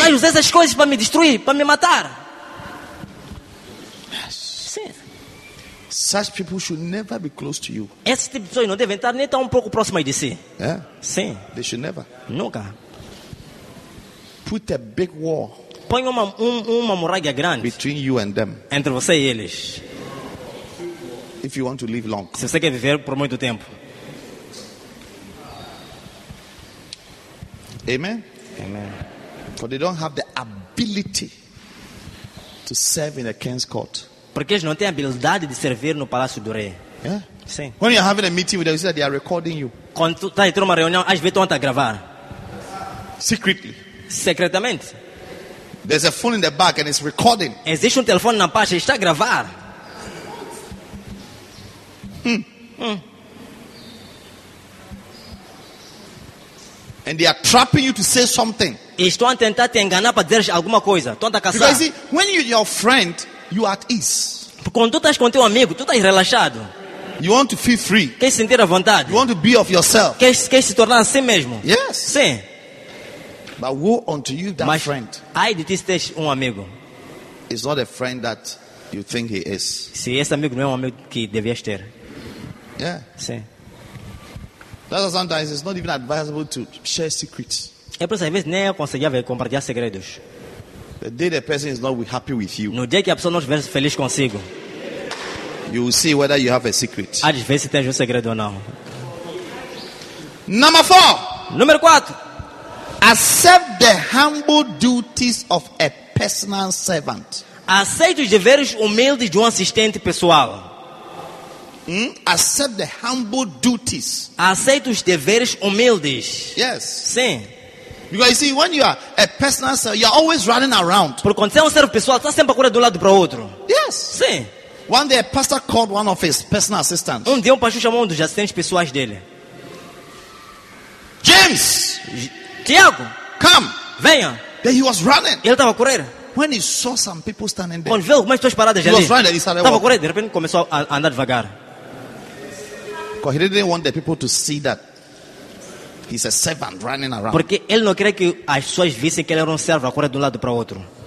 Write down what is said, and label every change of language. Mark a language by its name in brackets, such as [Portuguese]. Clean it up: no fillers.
[Portuguese] Agora usa essas coisas para me destruir, para me matar. [English] Yes. [Portuguese] Sim. [English] Such people should never be close to you. [Portuguese] Esse tipo de pessoas não devem estar nem tão um pouco próximas de si. [English] Yeah. [Portuguese] Sim. [English] They should never. [Portuguese] Nunca. [English] Put a big wall. [Portuguese] Põe uma muralha grande. [English] Between you and them. [Portuguese] Entre você e eles. [English] If you want to live long. [Portuguese] Se você quer viver por muito tempo. [English] Amen. [Portuguese] Amen. [English] For they don't have the ability to serve in a king's court. [Portuguese] Porque eles não têm a habilidade de servir no palácio do rei. [English] Yeah. [Portuguese] Sim. [English] When you're having a meeting with them, they are recording you. [Portuguese] Quando tu estás em uma reunião, às vezes estão a gravar. [English] Secretly. [Portuguese] Secretamente. [English] There's a phone in the back and it's recording. [Portuguese] Existe um telefone na parte, está a gravar. [English] And they are trapping you to say something. [Portuguese] Estão a tentar te enganar para dizer alguma coisa. Estão a caçar. [English] Because when you're your friend, you are at ease. [Portuguese] Porque quando tu estás com teu amigo, tu estás relaxado. [English] You want to feel free. [Portuguese] Quer sentir a vontade. [English] You want to be of yourself. [Portuguese] Quer se tornar assim mesmo. [English] Yes. [Portuguese] Sim. [English] But woe unto you, that [Portuguese] Mas, [English] friend. [Portuguese] Ai de ti, este amigo. [English] It's not a friend that you think he is. [Portuguese] Se esse amigo não é amigo que devias ter. [English] Yeah. [Portuguese] Sim. [English] That's why sometimes it's not even advisable to share secrets. [Portuguese] É por isso que às vezes nem aconselhável compartilhar segredos. [English] The day the person is not happy with you. [Portuguese] No dia que a pessoa não estiver feliz consigo. [English] You will see whether you have a secret. [Portuguese] Há de ver se tens segredo ou não. [English] Number 4. [Portuguese] Número 4. [English] Accept the humble duties of a personal servant. [Portuguese] Aceite os deveres humildes de um assistente pessoal. [English] Accept the humble duties. [Portuguese] Aceita os deveres humildes. [English] Yes. [Portuguese] Sim. [English] Because you see, when you are a personal servant, you are always running around. [Portuguese] Porque quando você é servo pessoal, está sempre a correr de lado para outro. [English] Yes. [Portuguese] Sim. [English] One day, a pastor called one of his personal assistants. [Portuguese] Dia, pastor chamou dos assistentes pessoais dele. [English] James. [Portuguese] Tiago. [English] Come. [Portuguese] Venha. [English] Then he was running. [Portuguese] Ele estava a correr. [English] When he saw some people standing there. [Portuguese] Quando viu algumas pessoas paradas ali. [English] He was running. He started [Portuguese] estava a correr. De repente começou a andar devagar. [English] Because he didn't want the people to see that. He's a servant running around. [Portuguese] Porque ele não queria que as pessoas vissem que ele era servo a correr de lado para outro.